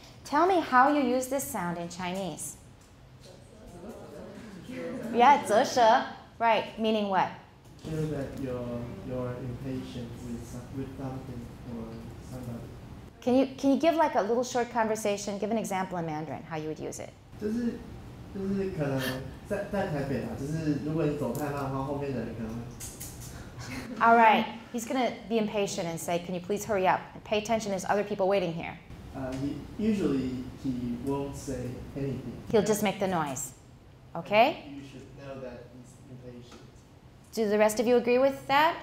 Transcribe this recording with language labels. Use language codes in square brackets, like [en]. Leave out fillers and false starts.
[en] Tell me how you use this sound in Chinese. Yeah, zhe. Right, meaning what? Feel that you're impatient with something or somebody. Can you give like a little short conversation? Give an example in Mandarin how you would use it. [zh] 就是可能在台北啊，就是如果你走太慢的话，后面的人可能会。 [en] All right, he's gonna be impatient and say, "Can you please hurry up? Pay attention. There's other people waiting here." He usually won't say anything. He'll just make the noise. Okay. You should know that he's impatient. Do the rest of you agree with that?